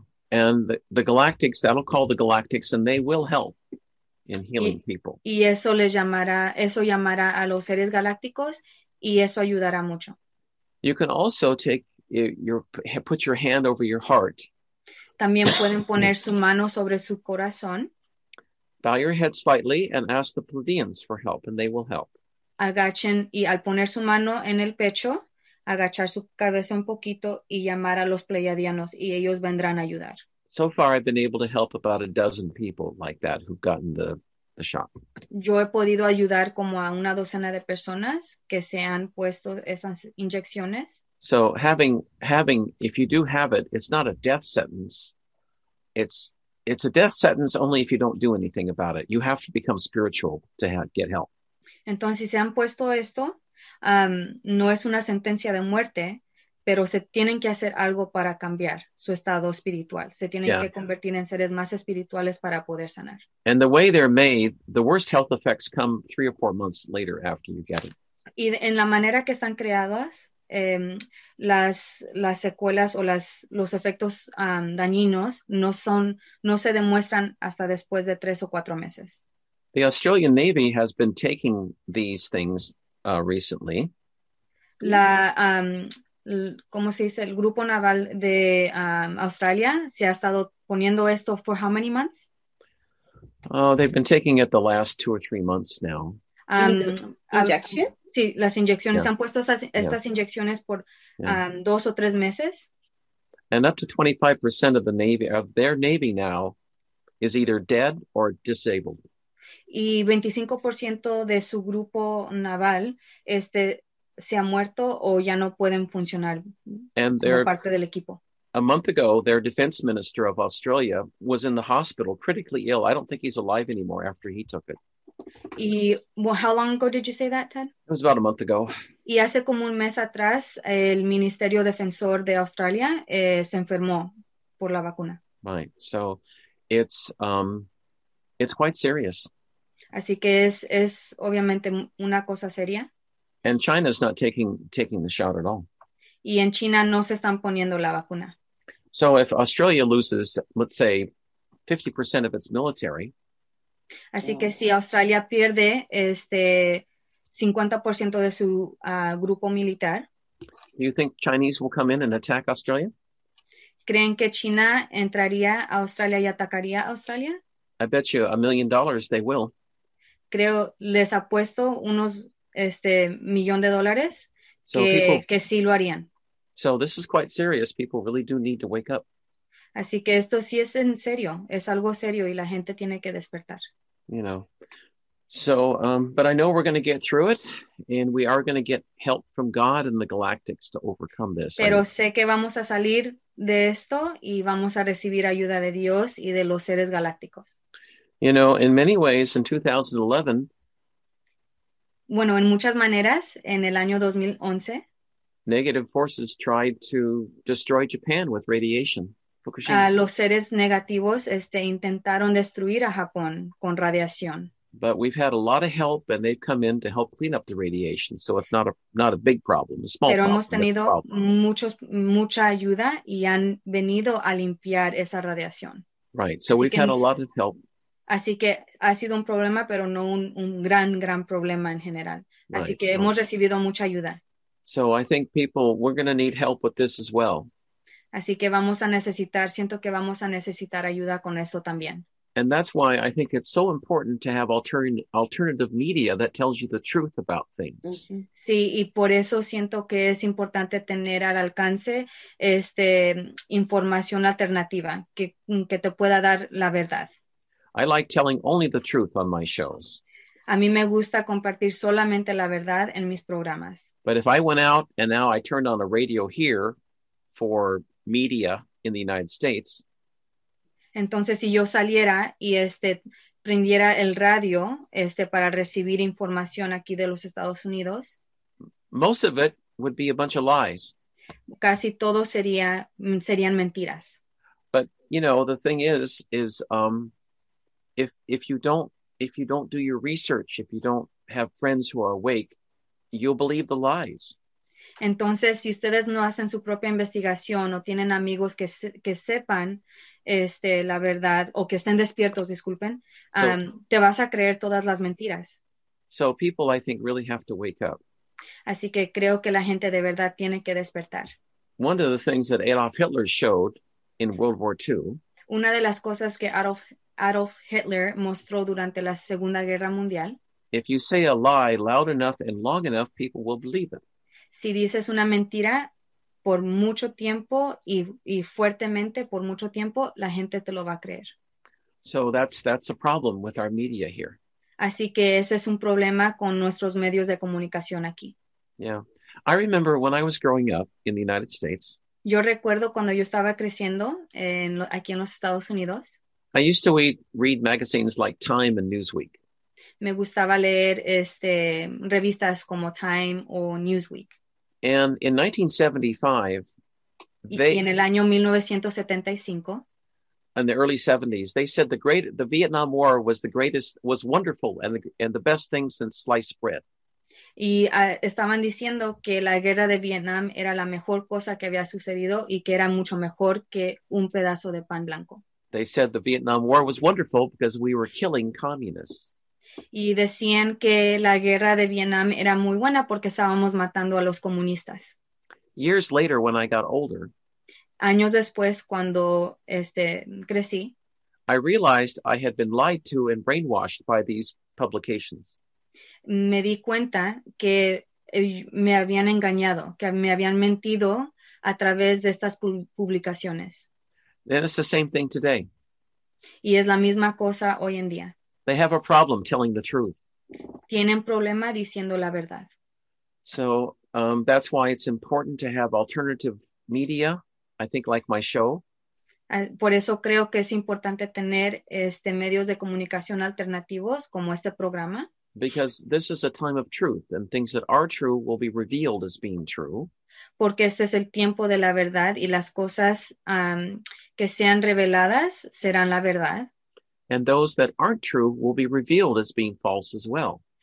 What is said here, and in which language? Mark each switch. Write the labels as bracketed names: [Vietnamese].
[English] And the Galactics, that'll call the Galactics, and they will help in healing people. [Spanish] Y eso llamará a los seres galácticos, y eso ayudará mucho. [English] You can also put your hand over your heart. [Spanish] También pueden poner su mano sobre su corazón. [English] Bow your head slightly and ask the Pleiadians for help, and they will help. [Spanish] Agachen, y al poner su mano en el pecho, agachar su cabeza un poquito y llamar a los Pleiadianos, y ellos vendrán a ayudar. [English] So far, I've been able to help about a dozen people like that who've gotten the shot. [Spanish] Yo he podido ayudar como a una docena de personas que se han puesto esas inyecciones. [English] So having, if you do have it, it's not a death sentence. It's a death sentence only if you don't do anything about it. You have to become spiritual to get help. [Spanish] Entonces, si se han puesto esto, no es una sentencia de muerte, pero se tienen que hacer algo para cambiar su estado espiritual. Se tienen que convertir en seres más espirituales para poder sanar. [English] And the way they're made, the worst health effects come 3 or 4 months later after you get it. [Spanish] Y en la manera que están creadas, las secuelas o los efectos dañinos no se demuestran hasta después de 3 o 4 meses. [English] The Australian Navy has been taking these things recently. [Spanish] ¿Cómo se dice? El grupo naval de Australia se ha estado poniendo esto [English] for how many months? They've been taking it the last 2 or 3 months now. Injection? [Spanish] Sí, las inyecciones. Yeah. Se han puesto estas inyecciones por 2 o 3 meses. [English] And up to 25% of their Navy now is either dead or disabled. [Spanish] y 25% de su grupo naval se ha muerto o ya no pueden funcionar como parte del equipo. [English] A month ago, their defense minister of Australia was in the hospital, critically ill. I don't think he's alive anymore after he took it. How long ago did you say that, Ted? It was about a month ago. [Spanish] Y hace como un mes atrás, el Ministerio Defensor de Australia se enfermó por la vacuna. [English] Right. So it's quite serious. [Spanish] Así que es obviamente una cosa seria. [English] And China's not taking the shot at all. [Spanish] Y en China no se están poniendo la vacuna. [English] So if Australia loses, let's say, 50% of its military. [Spanish] Así que si Australia pierde 50% de su grupo militar. [English] Do you think Chinese will come in and attack Australia? [Spanish] ¿Creen que China entraría a Australia y atacaría a Australia? [English] I bet you $1 million they will. [Spanish] Creo, les apuesto unos millón de dólares. Que sí lo harían. [English] So this is quite serious. People really do need to wake up. [Spanish] Así que esto sí es en serio. Es algo serio y la gente tiene que despertar. [English] You know. So, but I know we're going to get through it. And we are going to get help from God and the galactics to overcome this. [Spanish] Pero sé que vamos a salir de esto y vamos a recibir ayuda de Dios y de los seres galácticos. [English] You know, in many ways, in 2011... [Spanish] Bueno, en muchas maneras, en el año 2011, [English] negative forces tried to destroy Japan with radiation. Fukushima. [Spanish] Los seres negativos intentaron destruir a Japón con radiación. [English] But we've had a lot of help and they've come in to help clean up the radiation, so it's not a big problem, a small [Spanish] Pero [English] problem. [Spanish] Pero hemos tenido mucha ayuda y han venido a limpiar esa radiación. [English] Right. So Así we've had a lot of help. [Spanish] Así que ha sido un problema, pero no un gran, gran problema en general. [English] Right, [Spanish] Así que [English] right. [Spanish] hemos recibido mucha ayuda. [English] So I think people, we're going to need help with this as well. [Spanish] Así que vamos a necesitar, siento que vamos a necesitar ayuda con esto también. [English] And that's why I think it's so important to have alternative media that tells you the truth about things. Mm-hmm. [Spanish] Sí, y por eso siento que es importante tener al alcance información alternativa que te pueda dar la verdad. [English] I like telling only the truth on my shows. [Spanish] A mí me gusta compartir solamente la verdad en mis programas. [English] But if I went out and now I turned on a radio here for media in the United States. [Spanish] Entonces, si yo saliera y prendiera el radio para recibir información aquí de los Estados Unidos. [English] Most of it would be a bunch of lies. [Spanish] Casi todo serían mentiras. [English] But, you know, the thing is If you don't do your research, if you don't have friends who are awake, you'll believe the lies. [Spanish] Entonces, si ustedes no hacen su propia investigación o tienen amigos que sepan la verdad o que estén despiertos, disculpen, te vas a creer todas las mentiras. [English] So people, I think, really have to wake up. [Spanish] Así que creo que la gente de verdad tiene que despertar. [English] One of the things that Adolf Hitler showed in World War II. [Spanish] Una de las cosas que Adolf Hitler mostró durante la Segunda Guerra Mundial. [English] If you say a lie loud enough and long enough, people will believe it. [Spanish] Si dices una mentira por mucho tiempo y fuertemente por mucho tiempo, la gente te lo va a creer. [English] So that's a problem with our media here. [Spanish] Así que ese es un problema con nuestros medios de comunicación aquí. [English] Yeah. I remember when I was growing up in the United States. [Spanish] Yo recuerdo cuando yo estaba creciendo aquí en los Estados Unidos. [English] I used to read magazines like Time and Newsweek. [Spanish] Me gustaba leer revistas como Time o Newsweek. [English] And in 1975, [Spanish] y en el año 1975, [English] in the early 70s, they said the Vietnam War was the greatest, was wonderful, and the best thing since sliced bread. [Spanish] Y estaban diciendo que la guerra de Vietnam era la mejor cosa que había sucedido y que era mucho mejor que un pedazo de pan blanco. [English] They said the Vietnam War was wonderful because we were killing communists. [Spanish] Y decían que la guerra de Vietnam era muy buena porque estábamos matando a los comunistas. [English] Years later, when I got older, [Spanish] años después, cuando crecí, [English] I realized I had been lied to and brainwashed by these publications. [Spanish] Me di cuenta que me habían engañado, que me habían mentido a través de estas publicaciones. [English] And it's the same thing today. [Spanish] Y es la misma cosa hoy en día. [English] They have a problem telling the truth. [Spanish] Tienen problema diciendo la verdad. [English] So that's why it's important to have alternative media, I think, like my show. [Spanish] Por eso creo que es importante tener este medios de comunicación alternativos como este programa. [English] Because this is a time of truth, and things that are true will be revealed as being true. [Spanish] Porque este es el tiempo de la verdad, y las cosas que sean reveladas serán la verdad. [English] And those that aren't true will be revealed as being false as well.